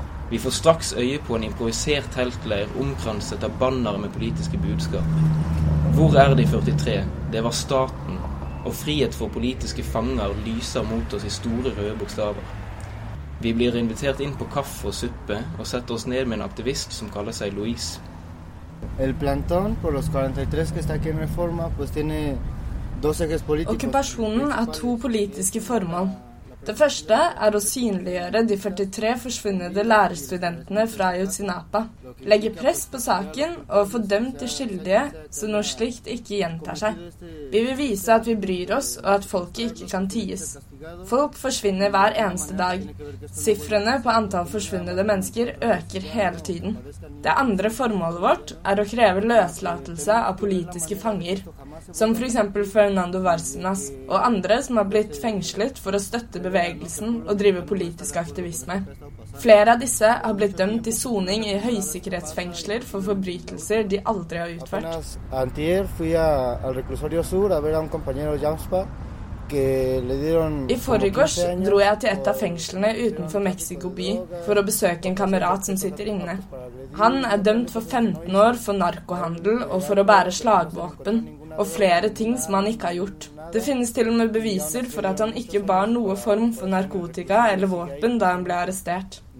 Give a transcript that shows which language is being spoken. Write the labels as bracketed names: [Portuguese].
[Norwegian] Vi får straks øye på en improvisert teltleir omkranset av banner med politiske budskap. Hvor er de 43? Det var staten, og frihet for politiske fanger lyser mot oss i store røde bokstaver. Vi blir invitert inn på kaffe og suppe og setter oss ned med en aktivist som kaller seg Luis. [Spanish] El plantón por los 43 que está aquí en Reforma pues tiene dos ejes políticos. [Norwegian] Okkupasjonen har 2 politiske formål. Det første er å synliggjøre de 43 forsvunnede lærerstudentene fra Ayotzinapa, legge press på saken og få dømt de skyldige så noe slikt ikke gjentar seg. Vi vil vise at vi bryr oss og at folket ikke kan ties. Folk forsvinner hver eneste dag. Siffrene på antall forsvunnede mennesker øker hele tiden. Det andre formålet vårt er å kreve løslatelse av politiske fanger, som for eksempel Fernando Varsenas og andre som har blitt fengslet for å støtte bevegelsen og drive politisk aktivisme. Flere av disse har blitt dømt til soning i høysikkerhetsfengsler for forbrytelser de aldri har utført. [Spanish] Antier fui al reclusorio sur a ver a un compañero Jamspa. [Norwegian] I forrigårs dro jeg til et av fengslene utenfor Mexico by for å besøke en kamerat som sitter inne. Han er dømt for 15 år for narkohandel og for å bære slagvåpen. og flere ting som han ikke har gjort. Det finnes til og med beviser for at han ikke bar noe form for narkotika eller våpen da han ble arrestert.